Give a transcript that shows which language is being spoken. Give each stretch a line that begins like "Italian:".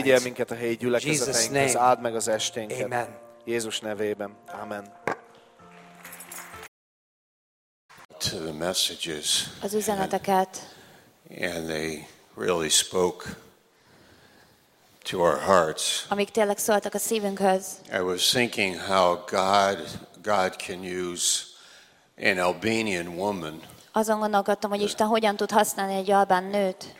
Hungarian: Vigyél minket a helyi gyülekezeteinkhez, áld meg az esténket. Amen. Jézus nevében. Amen.
English: To the messages.
Hungarian: Az üzeneteket.
English: And they really spoke to our hearts.
Hungarian: Amik tényleg szóltak a szívünkhöz.
English: I was thinking how God can use an Albanian woman.
Hungarian: Azon gondolkodtam, hogy Isten hogyan tud használni egy albán nőt.